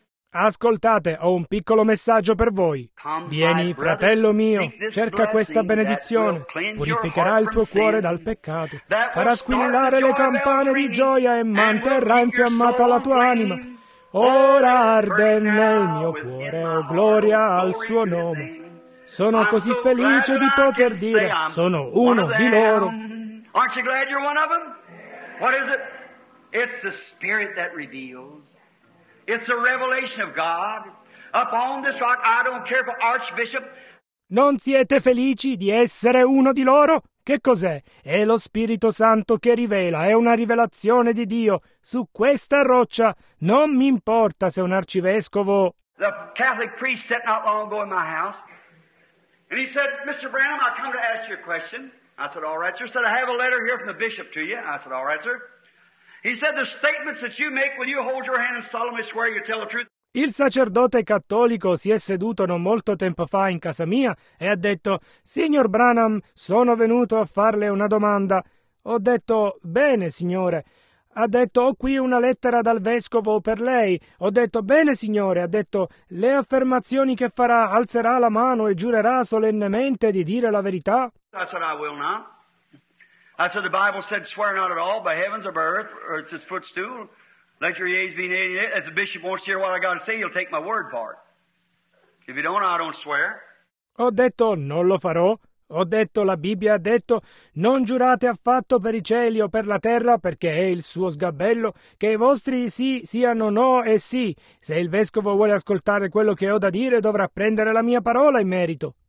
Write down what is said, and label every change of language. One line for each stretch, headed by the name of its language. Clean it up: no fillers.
Italian: Ascoltate, ho un piccolo messaggio per voi. Vieni, fratello mio, cerca questa benedizione, purificherà il tuo cuore dal peccato, farà squillare le campane di gioia e manterrà infiammata la tua anima. Ora arde nel mio cuore, oh gloria al suo nome. Sono così felice di poter dire, sono uno di loro.
English: Aren't you glad you're one of them? What is it? It's the Spirit that reveals. It's the revelation of God. Upon this rock, I don't care for Archbishop.
Italian: Non siete felici di essere uno di loro? Che cos'è? È lo Spirito Santo che rivela, è una rivelazione di Dio. Su questa roccia non mi importa se un arcivescovo...
English: The Catholic priest sat not long ago in my house. And he said, Mr. Branham, I come to ask you a question. I said, all right, sir. He said, I have a letter here from the bishop to you. I said, all right, sir. He said, the statements that you make when you hold your hand and solemnly swear you tell the truth.
Italian: Il sacerdote cattolico si è seduto non molto tempo fa in casa mia e ha detto, signor Branham, sono venuto a farle una domanda. Ho detto, bene, signore. Ha detto, ho qui una lettera dal vescovo per lei. Ho detto, bene, signore. Ha detto, le affermazioni che farà, alzerà la mano e giurerà solennemente di dire la verità?
English: I said, I will not. I said, the Bible said, swear not at all by heavens or by earth, or it's his footstool. Let your yeas be nay. If the bishop wants to hear what I got to say, he'll take my word for it. If you don't, I don't swear.
Italian: Ho detto, non lo farò. Ho detto, la Bibbia ha detto, non giurate affatto per i cieli o per la terra, perché è il suo sgabello, che i vostri sì siano no e sì. Se il vescovo vuole ascoltare quello che ho da dire, dovrà prendere la mia parola in merito.